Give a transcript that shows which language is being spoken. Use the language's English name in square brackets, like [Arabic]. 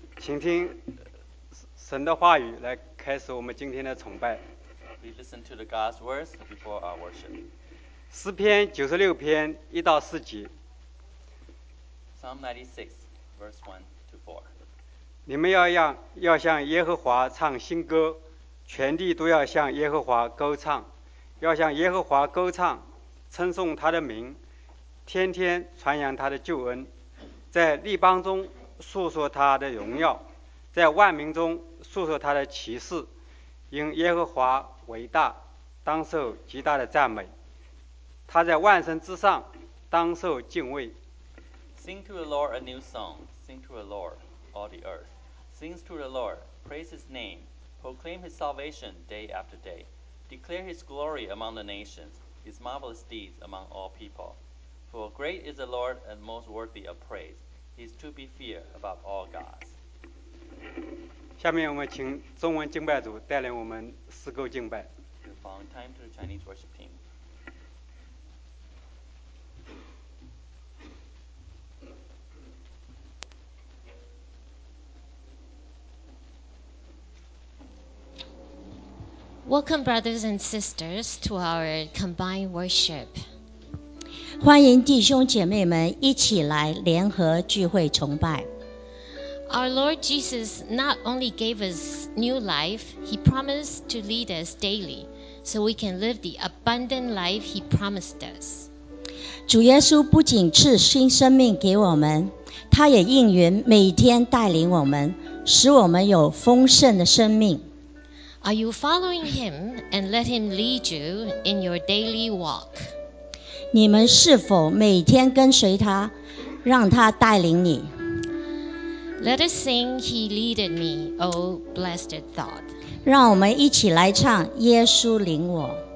[Chinese] 请听神的话语来开始我们今天的崇拜。 [English] We listen to the God's words before our worship. [Chinese] 诗篇96篇1到4节。 [English] Psalm 96, verse 1 to 4. [Chinese] 你们要向耶和华唱新歌，全地都要向耶和华歌唱，要向耶和华歌唱，称颂他的名，天天传扬他的救恩，在立邦中述说他的荣耀，在万民中述说他的奇事，因耶和华伟大，当受极大的赞美，他在万神之上，当受敬畏。 [English] Sing to the Lord a new song, sing to the Lord, all the earth. Sing to the Lord, praise his name, proclaim his salvation day after day. Declare his glory among the nations, his marvelous deeds among all people. For great is the Lord and most worthy of praise. He is to be feared above all gods. [Chinese] 下面我们请中文敬拜组带领我们诗歌敬拜。 [English] The following time to the Chinese worship team. Welcome, brothers and sisters, to our combined worship. [Chinese] 欢迎弟兄姐妹们一起来联合聚会崇拜。 [English] Our Lord Jesus not only gave us new life, He promised to lead us daily, so we can live the abundant life He promised us. [Chinese] 主耶稣不仅赐新生命给我们，他也应允每天带领我们，使我们有丰盛的生命。 [English] Are you following Him and let Him lead you in your daily walk? [Chinese] 你们是否每天跟随他，让他带领你 [English] ？Let us sing, He leaded me, O blessed thought. [Chinese] 让我们一起来唱《耶稣领我》。